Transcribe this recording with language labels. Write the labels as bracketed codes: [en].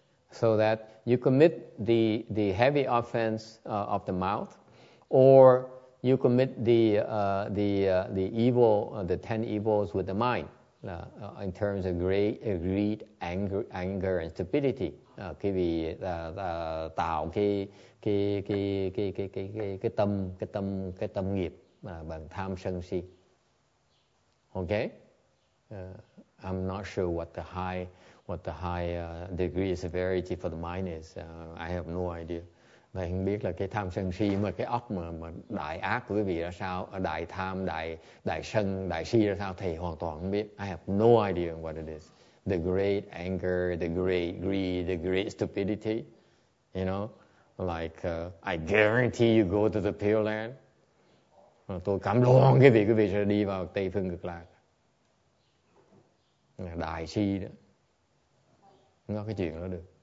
[en] So that you commit the heavy offense of the mouth, or you commit the evil, the ten evils with the mind, in terms of greed, anger and stupidity. [vi] Khi vì tạo cái tâm nghiệp bằng tham sân si. [en] Okay, I'm not sure what the high degree of severity for the mind is. I have no idea. [vi] Vậy không biết là cái tham sân si mà cái óc mà đại ác của quý vị là sao, đại tham, đại sân, đại si là sao, thầy hoàn toàn không biết. [en] I have no idea what it is. The great anger, the great greed, the great stupidity, you know, like I guarantee you go to the Pure Land. [vi] Tôi cảm đoan cái vị sẽ đi vào Tây Phương Cực Lạc. Đại si đó. Không có cái chuyện đó được.